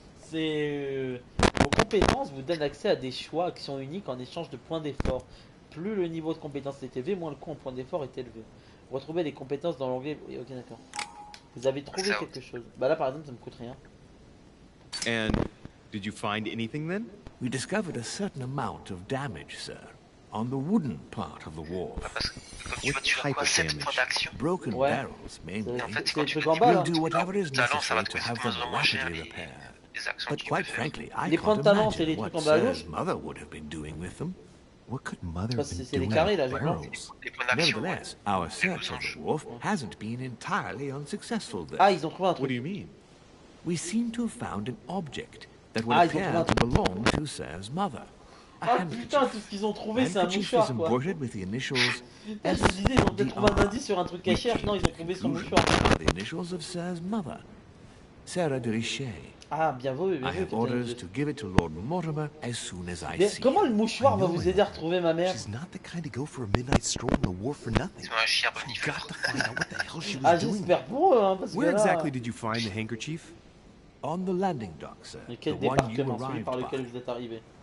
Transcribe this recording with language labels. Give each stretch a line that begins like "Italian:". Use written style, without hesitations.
French: Vos compétences vous donnent accès à des choix qui sont uniques en échange de points d'effort. Plus le niveau de compétence est élevé, moins le coût en points d'effort est élevé. Retrouvez les compétences dans l'onglet. Ok, d'accord. Vous avez trouvé quelque chose. Bah là, par exemple, ça me coûte rien.
English: And did you find anything then? We discovered a certain amount of damage, sir, on the wooden part of the wharf. What type of damage? Broken barrels, mainly.
French: C'est le truc en bas.
English: We'll do whatever is necessary to have them rapidly repaired. But quite frankly,
French: I les points de talent, c'est les trucs en bas à gauche.
English: Mother would have been doing with them. What could mother have been doing with the barrels? Nevertheless, our search of the wharf hasn't been entirely unsuccessful there.
French: Ah, ils ont trouvé un truc.
English: What do you mean? We seem to have found an object that would appear to belong to Sir's mother.
French: Ah putain, tout ce qu'ils ont trouvé, c'est un mouchoir, quoi.
English: Embroidered with the initials.
French: Ils ont peut-être trouvé un indice sur un truc caché. Non, ils ont trouvé son mouchoir.
English: The initials of Sir's mother, Sarah de Richer.
French: Ah, bien vu, bien vu.
English: I have orders to give it to Lord Mortimer as soon as I see.
French: Mais comment le mouchoir va vous aider à retrouver ma mère?
English: She's not the kind to go for a midnight stroll on the wharf for nothing. You've got to find out what the hell she was doing.
French: Ah, j'espère pour eux, hein, parce que là...
English: Where exactly did you find the handkerchief? On the landing dock, sir.
French: Quel département, celui par lequel vous êtes arrivé?